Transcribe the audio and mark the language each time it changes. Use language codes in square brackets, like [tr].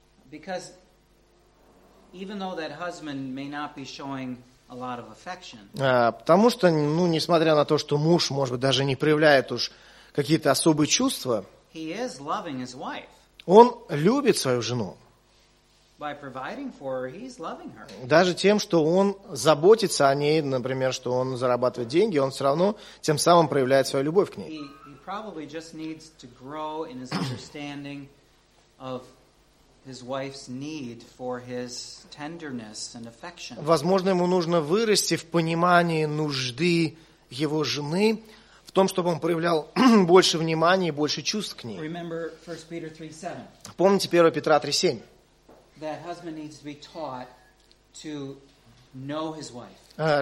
[en] Because even though that husband may not be showing a lot of affection. [ru] Потому что, ну, несмотря на то, что муж, может быть, даже не проявляет уж какие-то особые чувства, [en] he is loving his wife. [ru] Он любит свою жену. [en] By providing for her, he's loving her. [ru] Даже тем, что он заботится о ней, например, что он зарабатывает деньги, он все равно тем самым проявляет свою любовь к ней. [en] He probably just needs to grow in his understanding of his wife's need for his tenderness and affection. [ru] Возможно, ему нужно вырасти в понимании нужды его жены, в том, чтобы он проявлял больше внимания и больше чувств к ней. [en] Remember 1 Peter 3:7. [ru] Помните 1 Петра 3:7. [en] That husband needs to be taught to know his wife.